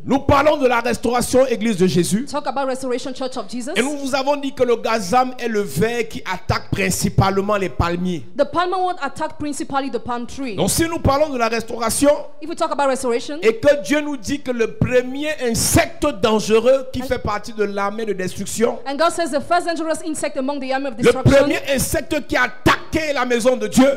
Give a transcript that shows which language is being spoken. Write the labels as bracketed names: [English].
[French] Nous parlons de la restauration Église de Jésus. [English] Talk about restoration Church of Jesus. [French] Et nous vous avons dit que le gazam est le ver qui attaque principalement les palmiers. [English] The palm wand attack principally the palm tree. [French] Donc si nous parlons de la restauration, [English] if we talk about restoration, [French] et que Dieu nous dit que le premier insecte dangereux qui fait partie de l'armée de destruction, [English] and God says the first dangerous insect among the army of destruction, [French] le premier insecte qui attaque la maison de Dieu,